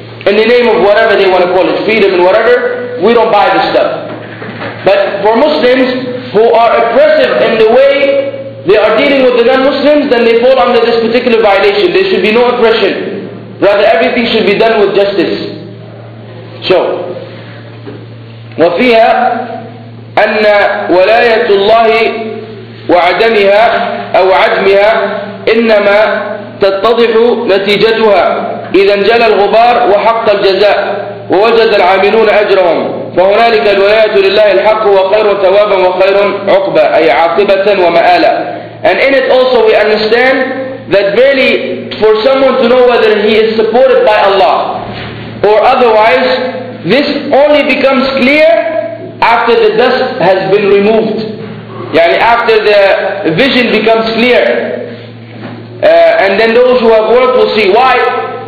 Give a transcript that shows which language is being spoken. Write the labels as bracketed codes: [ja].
[en] In the name of whatever they want to call it, freedom and whatever, we don't buy this stuff. But for Muslims who are oppressive in the way they are dealing with the non-Muslims, then they fall under this particular violation. There should be no oppression. Rather, everything should be done with justice. [ar] So, وفيها أن ولاية الله وعدمها أو عدمها إنما تتضح نتيجتها إذا انجلى الغبار وحق الجزاء ووجد العاملون أجرهم فهنالك الولاية لله الحق وخير ثوابا وخير عقبة أي عاقبة ومآلا. [en] And in it also we understand that really for someone to know whether he is supported by Allah or otherwise, this only becomes clear after the dust has been removed. Yani after the vision becomes clear. And then those who have worked will see. Why?